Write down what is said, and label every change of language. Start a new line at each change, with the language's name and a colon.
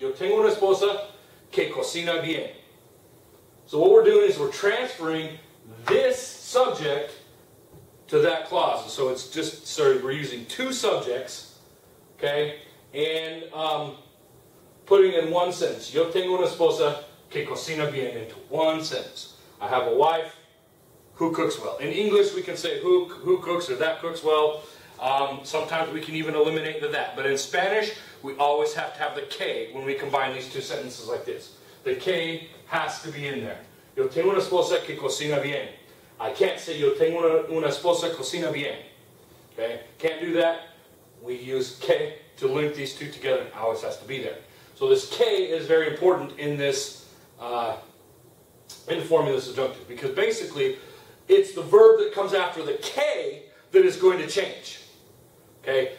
Spanish: Yo tengo una esposa que cocina bien.
English: So what we're doing is we're transferring this subject to that clause. So it's just, sorry, we're using two subjects, okay, and putting in one sentence.
Spanish: Yo tengo una esposa que cocina bien,
English: into one sentence. I have a wife who cooks well. In English, we can say who cooks or that cooks well. Sometimes we can even eliminate the that. But in Spanish, we always have to have the que when we combine these two sentences like this. The que has to be in there.
Spanish: Yo tengo una esposa que cocina bien.
English: I can't say
Spanish: yo tengo una esposa que cocina bien.
English: Okay? Can't do that. We use que to link these two together. It always has to be there. So this que is very important in this in the formula of the subjunctive, because basically it's the verb that comes after the que that is going to change. Okay?